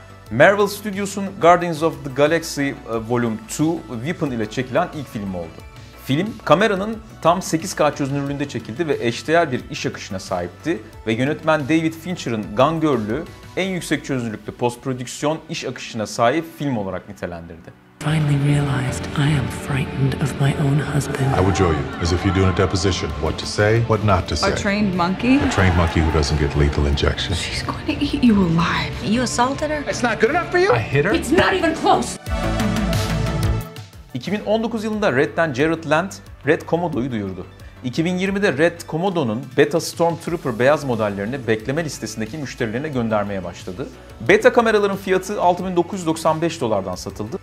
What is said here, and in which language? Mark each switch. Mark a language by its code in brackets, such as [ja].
[tr] Marvel Studios'un Guardians of the Galaxy Volume 2 Weapon ile çekilen ilk film oldu. Film, kameranın tam 8K çözünürlüğünde çekildi ve eşdeğer bir iş akışına sahipti ve yönetmen David Fincher'ın Gun Girl'ü en yüksek çözünürlüklü post-prodüksiyon iş akışına sahip film olarak nitelendirdi. [en] Finally realized I am frightened of my own husband. I would join you as if you're doing a deposition. What to say, what not to say. A trained monkey? A trained monkey who doesn't get lethal injections. She's going to eat you alive. You assaulted her? It's not good enough for you? I hit her? It's not even close! [tr] 2019 yılında Red'den Jared Land, Red Komodo'yu duyurdu. 2020'de Red Komodo'nun Beta Storm Trooper beyaz modellerini bekleme listesindeki müşterilerine göndermeye başladı. Beta kameraların fiyatı 6.995 dolardan satıldı.